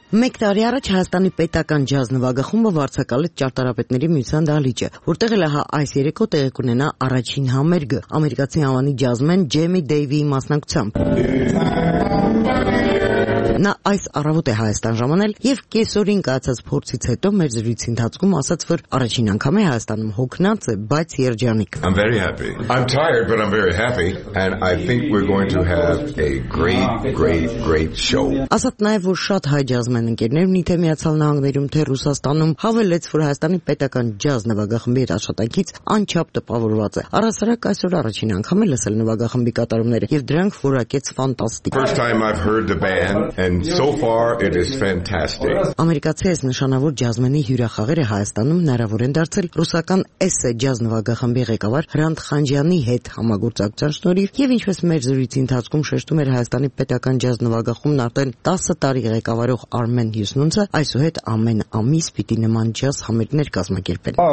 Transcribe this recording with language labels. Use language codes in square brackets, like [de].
[hy] Մեկ տարի առաջ Հայաստանի պետական ջազ նվագախումբը վարձակալեց ճարտարապետների միության դահլիճը, որտեղ էլ ահա այս երեկո տեղի կունենա առաջին համերգը ամերիկացի ավանի ջազմեն Ջեմի Դեյվիի մասնակցությամբ։ Նա այս առավոտ է Հայաստան ժամանել եւ կեսօրին կայացած փորձից հետո մեր զրույցի ընթացքում ասաց, որ առաջին անգամ է Հայաստանում հոգնած է, բայց երջանիկ։ [en] I'm very happy. I'm tired but I'm very happy and I think we're going to have a great great great show. [hy] Ասաց նաեւ, որ շատ հայ ջազմեն ընկերներ ունի թե Միացյալ Նահանգներում, թե Ռուսաստանում, հավելեց, որ Հայաստանի պետական ջազ նվագախմբի աշխատանքից անչափ տպավորված է։ Առհասարակ այսօր առաջին անգամ է լսել նվագախմբի կատարումները եւ դրանք որակեց ֆանտաստիկ։ [en] First time I've heard the band and so far it is fantastic. [hy] Ամերիկացի այս նշանավոր ջազմենի հյուրախաղերը Հայաստանում հնարավոր են դարձել ռուսական SE ջազ նվագախմբի ղեկավար Հրանտ Խանջյանի հետ համագործակցության շնորհիվ եւ ինչպես մեր զրույցի ընթացքում շեշտում էր Հայաստանի պետական ջազ նվագախումն արդեն 10 տարի ղեկավարող Արմեն Հյուսնունցը, այսուհետ ամեն ամիս պիտի նման ջազ համերգներ կազմակերպեն։